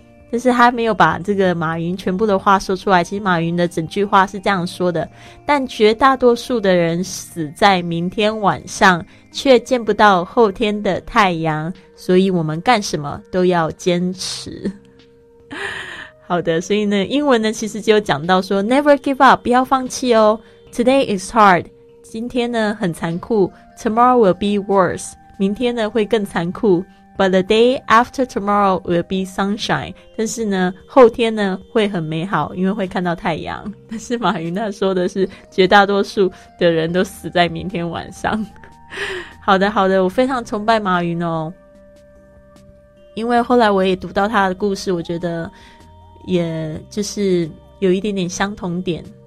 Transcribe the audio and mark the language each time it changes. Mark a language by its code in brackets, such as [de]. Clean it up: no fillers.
[zh] 但是他没有把这个马云全部的话说出来，其实马云的整句话是这样说的，但绝大多数的人死在明天晚上，却见不到后天的太阳，所以我们干什么都要坚持。好的，所以呢，英文呢其实就讲到说 [en] Never give up， [zh] 不要放弃哦。 [en] Today is hard， [zh] 今天呢很残酷。 [en] Tomorrow will be worse， [zh] 明天呢会更残酷。 [en] But the day after tomorrow will be sunshine. [zh] 但是呢，后天呢会很美好，因为会看到太阳。但是马云他说的是，绝大多数的人都死在明天晚上。好的，好的，我非常崇拜马云哦。因为后来我也读到他的故事，我觉得也就是有一点点相同点。